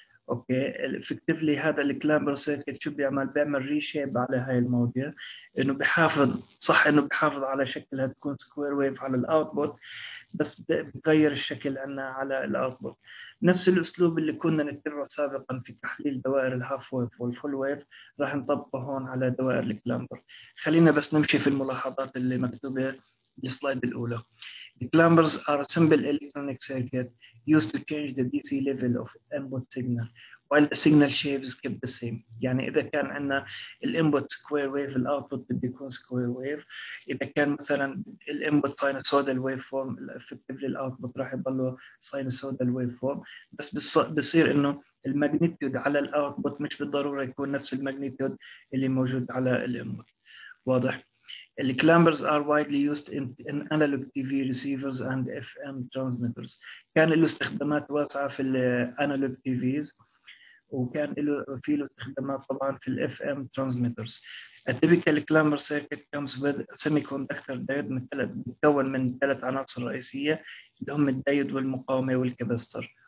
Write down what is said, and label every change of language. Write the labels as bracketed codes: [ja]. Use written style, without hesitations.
[ar] اوكي، افكتفلي هذا الكلامبر سيركت شو بيعمل؟ بيعمل ريشيب على هاي الموجة، انه بحافظ، صح انه بحافظ على شكلها تكون سكوير ويف على الاوتبوت، بس بغير الشكل عندنا على الاوتبوت. نفس الاسلوب اللي كنا نتبعه سابقا في تحليل دوائر الهاف ويف والفول ويف راح نطبقه هون على دوائر الكلامبر. خلينا بس نمشي في الملاحظات اللي مكتوبة السلايد الأولى. [en] The clambers are a simple electronic circuit used to change the DC level of input signal while the signal shape is kept the same. [ar] يعني إذا كان عندنا الـ input square wave الـ output بده يكون square wave. إذا كان مثلا الـ input sinusoidal waveform effectively الـ output راح يضله sinusoidal waveform، بس بصير إنه الـ magnitude على الـ output مش بالضرورة يكون نفس الـ magnitude اللي موجود على الـ input. [en] واضح؟ The clambers are widely used in analog TV receivers and FM transmitters. [ar] كان له استخدامات واسعة في الـ analog TVs، وكان له في له استخدامات طبعا في الـ FM transmitters. [en] A typical clamber circuit comes with a semiconductor diode [ar] مكون من 3 عناصر رئيسية اللي هم الدايود والمقاومة والكابستر.